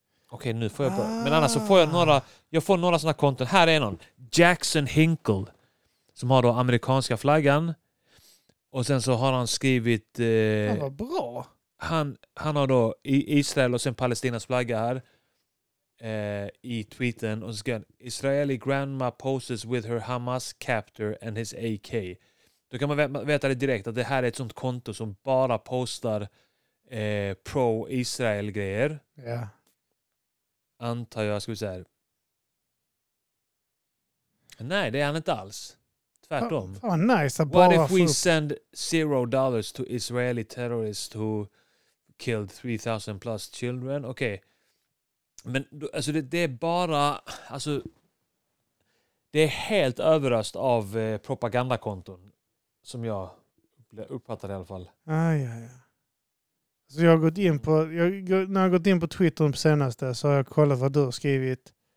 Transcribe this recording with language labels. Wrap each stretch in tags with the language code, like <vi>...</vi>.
<sv>Okej, nu får jag... Men annars så får jag några... Jag får några sådana konton. Här är någon. Jackson Hinkle. Som har då amerikanska flaggan. Och sen så har han skrivit... Han var bra. Han har då Israel och sen Palestinas flagga här. I tweeten. Och så skriver han,</sv> <en>Israeli grandma poses with her Hamas captor and his AK.</en> <sv>Då kan man veta det direkt att det här är ett sånt konto som bara postar pro-Israel-grejer. Ja. Yeah. Antar jag, ska vi säga. Nej, det är han inte alls. Tvärtom.</sv> <en>Oh, nice. What if we send $0 to Israeli terrorists who killed 3,000 plus children?</en> <sv>Okej. Okay. Men alltså, det är bara... Alltså, det är helt överröst av propagandakonton. Som jag uppfattar i alla fall. Ja. Så jag har gått in på när jag gått in på Twitter på senaste så har jag kollat vad du har skrivit.</sv>